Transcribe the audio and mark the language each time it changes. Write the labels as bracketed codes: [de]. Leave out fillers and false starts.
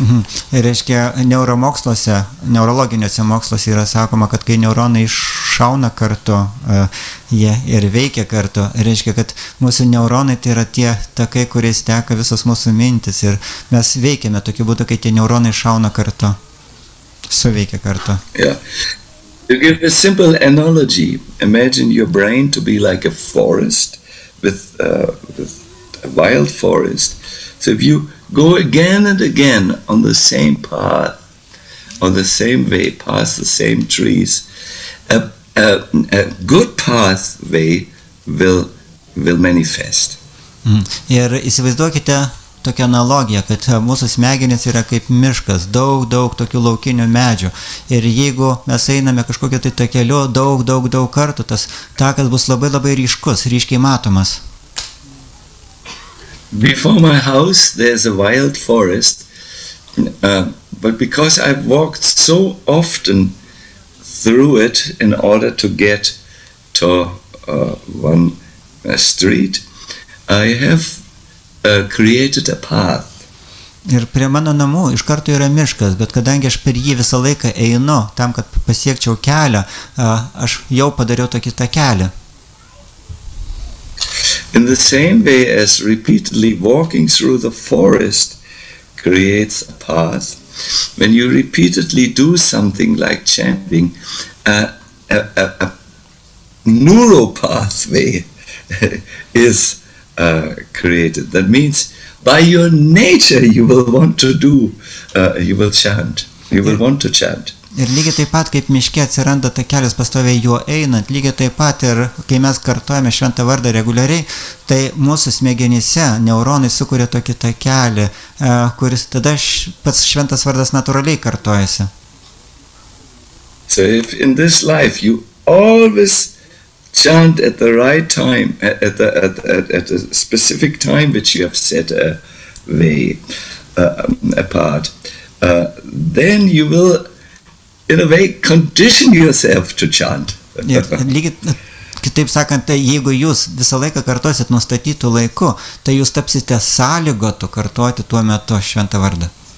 [lt] Ir reiškia, neuromoksluose, neurologiniuose moksluose yra sakoma, kad kai neuronai iššauna kartu, jie ir veikia kartu. Reiškia, kad mūsų neuronai tai yra tie takai, kuriais teka visos mūsų mintis. Ir mes veikiame tokiu būdu, kai tie neuronai iššauna kartu, suveikia kartu. [en] Yeah. To give a simple analogy, imagine your brain to be like a forest with a wild forest. So if you go again and again on the same path, on the same way, past the same trees, a good pathway will manifest. [lt] Ir įsivaizduokite tokią analogiją, kad mūsų smegenys yra kaip miškas, daug tokių laukinių medžių. Ir jeigu mes einame kažkokio tai to keliu daug kartų, tas takas bus labai ryškus, ryškiai matomas. [en] Before my house there's a wild forest, but because I've walked so often through it in order to get to one street, I have created a path. [lt] Ir prie mano namų iš karto yra miškas, bet kadangi aš per jį visą laiką einu tam, kad pasiekčiau kelią, aš jau padariau tokį tą kelią. [en] In the same way as repeatedly walking through the forest creates a path, when you repeatedly do something like chanting, a neural pathway is created. That means by your nature you will want to chant. [lt] Ir lygiai taip pat, kaip miške atsiranda ta kelias pastoviai juo einant, lygiai taip pat ir kai mes kartuojame šventą vardą reguliariai, tai mūsų smegenyse neuronai sukuria tokį tą kelią, kuris tada pats šventas vardas natūraliai kartuojasi. [en] So if in this life you always chant at the right time, at a specific time which you have set away apart, then you will in a way condition yourself to chant. [lt] Kitaip sakant, tai jeigu jūs visą laiką kartuosit nustatytų laiku, tai jūs tapsite sąlygotų kartuoti tuo metu šventą vardą.